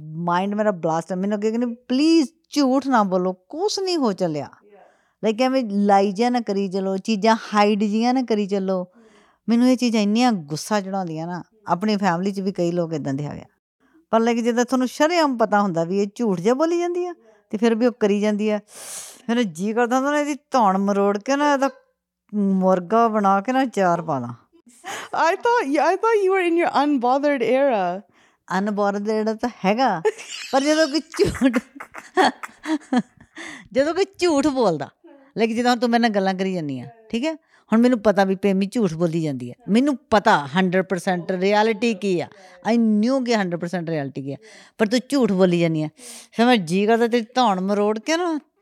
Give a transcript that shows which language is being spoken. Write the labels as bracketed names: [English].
[Punjabi] mind ਮੇਰਾ blast ਮੈਨੂੰ ਅੱਗੇ ਕਹਿੰਦੀ ਪਲੀਜ਼ ਝੂਠ ਨਾ ਬੋਲੋ ਕੁਛ ਨਹੀਂ ਹੋ ਚੱਲਿਆ ਲਾਈਕ ਐਵੇਂ ਲਾਈ ਜਿਹਾ ਨਾ ਕਰੀ ਚੱਲੋ ਚੀਜ਼ਾਂ ਹਾਈਡ ਜਿਹੀਆਂ ਨਾ ਕਰੀ ਚੱਲੋ ਮੈਨੂੰ ਇਹ ਚੀਜ਼ਾਂ ਇੰਨੀਆਂ ਗੁੱਸਾ ਚੜਾਉਂਦੀਆਂ ਨਾ ਆਪਣੀ ਫੈਮਿਲੀ 'ਚ ਵੀ ਕਈ ਲੋਕ ਇੱਦਾਂ ਦੇ ਹੈਗੇ ਪਰ ਲੈ ਕੇ ਜਿੱਦਾਂ ਤੁਹਾਨੂੰ ਸ਼ਰੇਆਮ ਪਤਾ ਹੁੰਦਾ ਵੀ ਇਹ ਝੂਠ ਜਿਹਾ ਬੋਲੀ ਜਾਂਦੀ ਆ ਅਤੇ ਫਿਰ ਵੀ ਉਹ ਕਰੀ ਜਾਂਦੀ ਆ ਫਿਰ ਜੀ ਕਰਦਾ ਹੁੰਦਾ ਨਾ ਇਹਦੀ ਧੌਣ ਮਰੋੜ ਕੇ ਨਾ ਇਹਦਾ ਮੁਰਗਾ ਬਣਾ ਕੇ ਨਾ ਚਾਰ ਪਾ ਦਾਂ [English] I thought you were in your unbothered era [Punjabi] unbothered ਤਾਂ ਹੈਗਾ ਪਰ ਜਦੋਂ ਕੋਈ ਝੂਠ ਬੋਲਦਾ ਲੈ ਕੇ ਜਿੱਦਾਂ ਹੁਣ ਤੂੰ ਮੇਰੇ ਨਾਲ ਗੱਲਾਂ ਕਰੀ ਜਾਂਦੀ ਆ ਠੀਕ ਹੈ ਹੁਣ ਮੈਨੂੰ ਪਤਾ ਵੀ ਪੇਮੀ ਝੂਠ ਬੋਲੀ ਜਾਂਦੀ ਹੈ ਮੈਨੂੰ ਪਤਾ 100% ਰਿਐਲਿਟੀ ਕੀ ਆ [English] I knew [Punjabi] ਕਿ 100% ਰਿਐਲਿਟੀ ਕੀ ਆ ਪਰ ਤੂੰ ਝੂਠ ਬੋਲੀ ਜਾਂਦੀ ਆ ਫਿਰ ਮੈਂ ਜੀ ਕਰਦਾ ਤੇਰੀ ਧੌਣ ਮਰੋੜ ਕੇ ਨਾ